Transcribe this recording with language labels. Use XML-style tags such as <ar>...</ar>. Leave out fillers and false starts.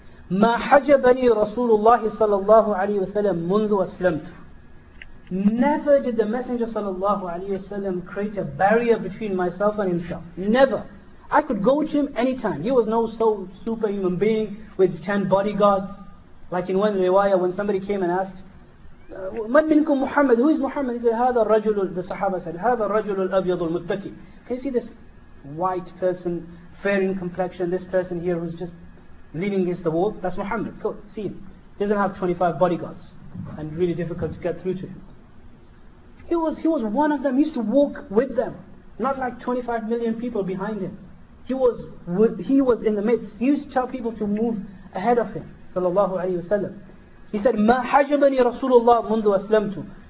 <ar>ما حجبني رسول الله صلى الله عليه وسلم منذ أسلمت.</ar> <en>Never did the Messenger sallallahu alaihi wasallam create a barrier between myself and himself. Never. I could go to him anytime. He was no superhuman being with 10 bodyguards. Like in one riwayah, when somebody came and asked,</en> <ar>من منكم محمد؟</ar> <en>Who is Muhammad? He said,</en> <ar>هذا الرجل.</ar> <en>The Sahaba said,</en> <ar>هذا الرجل الأبيض المتكي.</ar> <en>Can you see this white person, fair in complexion, this person here who's just leaning against the wall? That's Muhammad. Cool. See him. Doesn't have 25 bodyguards and really difficult to get through to him. He was one of them. He used to walk with them, not like 25 million people behind him. He was in the midst. He used to tell people to move ahead of him, sallallahu alayhi wa sallam. He said,</en> <ar>ما حجبني رسول الله منذ أسلمت.</ar>